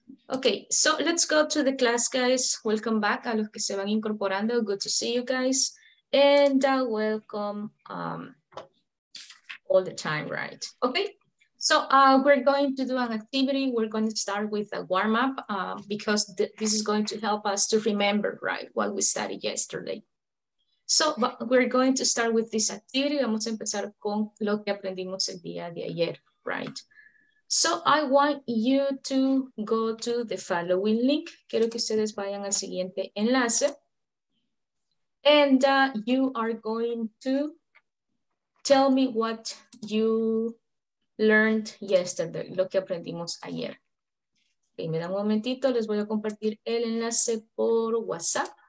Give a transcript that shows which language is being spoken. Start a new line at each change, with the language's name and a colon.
English: Okay, so let's go to the class, guys. Welcome back
Spanish: a los que se van incorporando.
English: Good to see you guys. And welcome all the time, right? Okay, so we're going to do an activity. We're going to start with a warm-up because this is going to help us to remember, right, what we studied yesterday. So we're going to start with this activity.
Spanish: Vamos a empezar con lo que aprendimos el día de ayer, right?
English: So I want you to go to the following link.
Spanish: Quiero que ustedes vayan al siguiente enlace.
English: And you are going to tell me what you learned yesterday,
Spanish: lo que aprendimos ayer. Okay, me dan un momentito, les voy a compartir el enlace por WhatsApp.